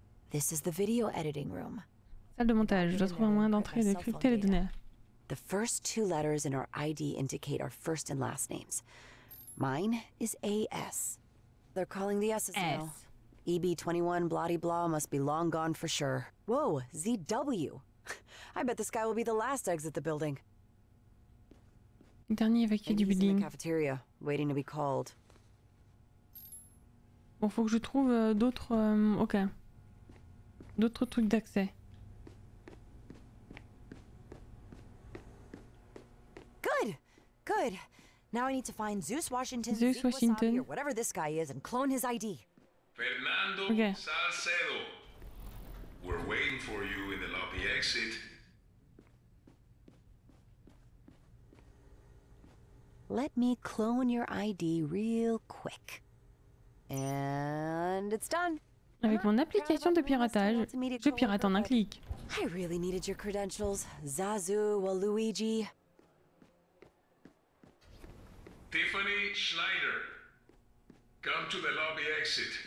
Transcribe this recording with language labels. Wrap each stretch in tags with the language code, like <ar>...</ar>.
<en>This is the video editing room.</en> <fr>Salle de montage. Je dois trouver un moyen d'entrer et de crypter les données.</fr> <en>The first two letters in our ID indicate our first and last names. Mine is AS. They're calling the S's now. EB21 bloody blah must be long gone for sure. Whoa, ZW. I bet this guy will be the last exit the building.</en> <fr>Dernier évacué du building.</fr> <en>In the cafeteria, waiting to be called.</en> <fr>Bon, faut que je trouve d'autres OK. D'autres trucs d'accès.</fr> <en>Good. Good. Now I need to find Zeus Washington. Zeus Washington. Wasabi, or whatever this guy is and clone his ID. Fernando Salcedo. We're waiting for you in the lobby exit. Let me clone your ID real quick. And it's done.</en> <fr>Avec mon application de piratage, je pirate en un clic.</fr> <en>I really needed your credentials, Zazu Waluigi. Tiffany Schneider. Come to the lobby exit.</en>